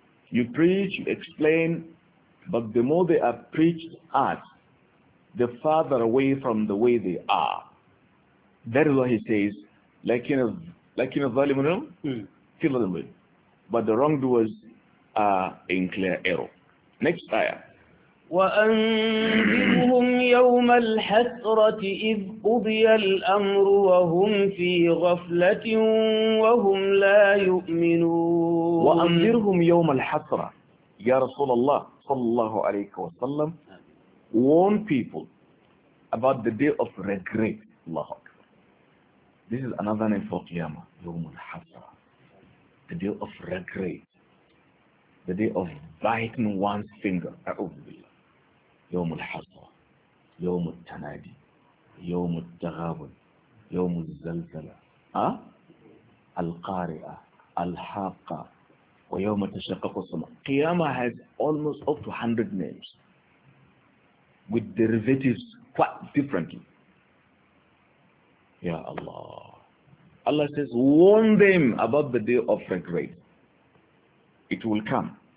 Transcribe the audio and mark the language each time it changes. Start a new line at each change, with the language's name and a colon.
English: You preach, you explain, but the more they are preached at, the farther away from the way they are. That is what he says,
Arabic: لكن الظالمون في ضلال مبين.
English: But the wrongdoers are in clear error. Next ayah.
Arabic: وأنذرهم يوم الحسرة إذ قضي الأمر وهم في غفلة وهم لا يؤمنون. وأنذرهم يوم الحسرة يا رسول الله صلى الله عليه وسلم.
English: Warn people about the day of regret.
Arabic: الله أكبر.
English: This is another name for قيامة.
Arabic: يوم الحسرة.
English: The day of regret. The day of biting one's finger.
Arabic: أعوذ بالله. يوم الحصر يوم التنادي يوم التغابن يوم الزلزلة القارئة الحاقة ويوم تشقق السماء.
English: Qiyamah has almost up to 100 names with derivatives quite differently.
Arabic: Ya Allah.
English: Allah says warn them about the day of regret. It will come.